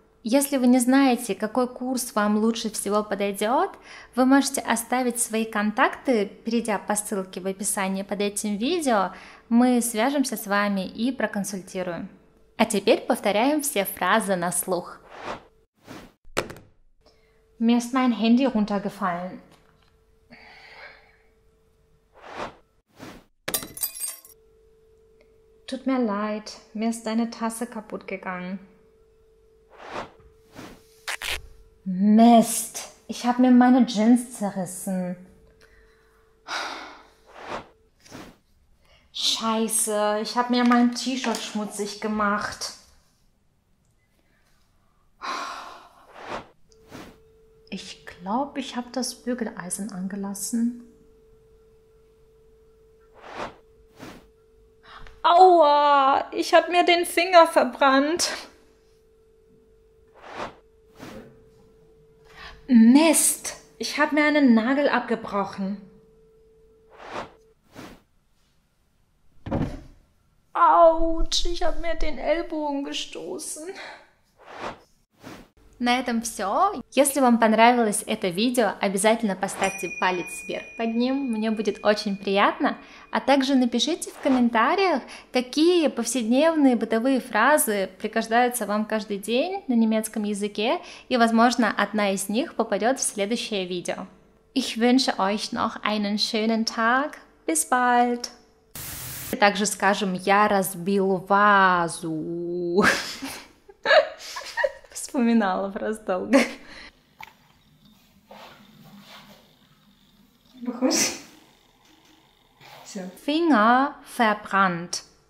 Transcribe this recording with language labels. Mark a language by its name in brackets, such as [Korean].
[Russian] Если вы не знаете, какой курс вам лучше всего подойдет, вы можете оставить свои контакты, перейдя по ссылке в описании под этим видео, мы свяжемся с вами и проконсультируем. А теперь повторяем все фразы на слух. [German] Mir ist mein Handy runtergefallen. Tut mir leid, mir ist deine Tasse kaputt gegangen. Mist, ich habe mir meine Jeans zerrissen. Scheiße, ich habe mir mein T-Shirt schmutzig gemacht. Ich glaube, ich habe das Bügeleisen angelassen. Aua, ich habe mir den Finger verbrannt. Mist, ich habe mir einen Nagel abgebrochen. Autsch, ich habe mir den Ellbogen gestoßen. [Russian] На этом все. Если вам понравилось это видео, обязательно поставьте палец вверх под ним, мне будет очень приятно. А также напишите в комментариях, какие повседневные бытовые фразы пригождаются вам каждый день на немецком языке, и, возможно, одна из них попадет в следующее видео. [German] Ich wünsche euch noch einen schönen Tag. Bis bald! [Russian] Также скажем «Я разбил вазу». Вспоминала просто долго. Похож? Все. [German] Finger verbrannt.